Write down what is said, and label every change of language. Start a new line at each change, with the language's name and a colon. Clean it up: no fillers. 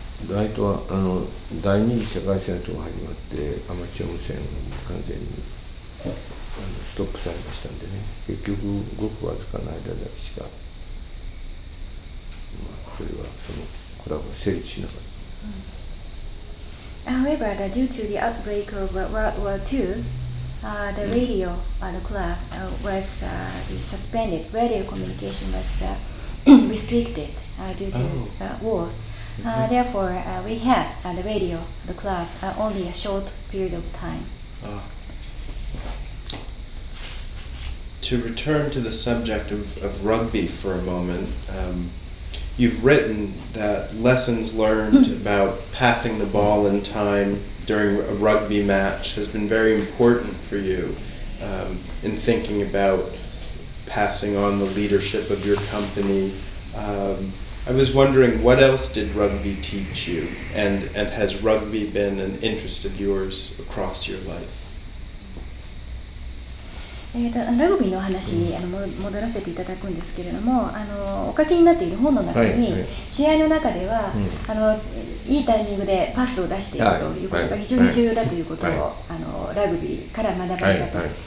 Japanese: 大体は第二次世界戦争が始まってアマチュア無線が完全にストップされましたんでね、結局ごくわずかの間だけしか、それはそのコラボ成立しなかった。
English: However, due to the outbreak of World War II, the radio club was suspended. Radio communication was restricted due to war. Therefore, we have the radio, the club, only a short period of time. To return to the subject of rugby for a moment, you've written that lessons learned about passing the ball in time during a rugby match has been very important for you in thinking about passing on the leadership of your company. I was wondering, what else did rugby teach you, and has rugby been an interest of yours across your life?
Japanese: ラグビーの話に戻らせていただくんですけれども、お書きになっている本の中に、試合の中では、いいタイミングでパスを出していくということが非常に重要だということを、ラグビーから学ばれたと。